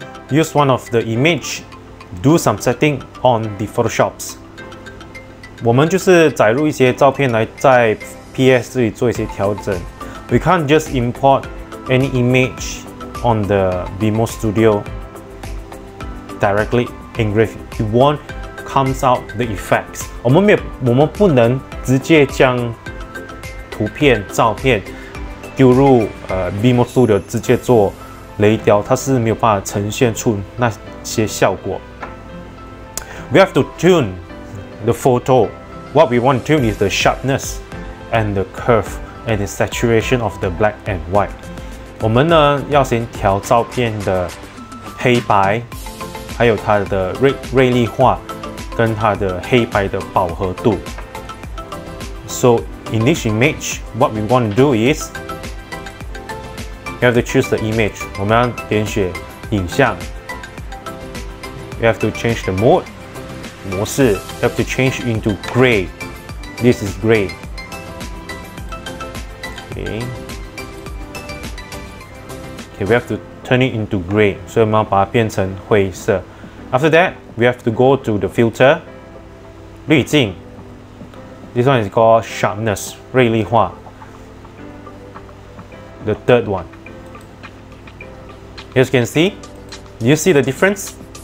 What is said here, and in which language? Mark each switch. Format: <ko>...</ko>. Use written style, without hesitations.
<en>use one of the image, do some setting on the Photoshop's.</en> <zh>我们就是载入一些照片来在 PS 这里做一些调整。</zh> <en>We can't just import any image on the Beamo Studio directly engrave. It won't comes out the effects.</en> <zh>我们不能直接将图片、照片丢入Beamo Studio 直接做雷雕，它是没有办法呈现出那些效果。</zh> <en>We have to tune the photo. What we want to tune is the sharpness and the curve and the saturation of the black and white.</en> <zh>我们呢要先调照片的黑白，还有它的锐利化跟它的黑白的饱和度。</zh> <en>So in this image, what we want to do is you have to choose the image.</en> <zh>我们要点选影像。</zh> <en>You have to change the mode. 模式 have to change into gray. This is gray. Okay, we have to turn it into gray.</en> <zh>所以我们要把它变成灰色。</zh> <en>After that, we have to go to the filter. 滤镜。This one is called sharpness, 锐利化。 The third one. As you can see, do you see the difference?</en>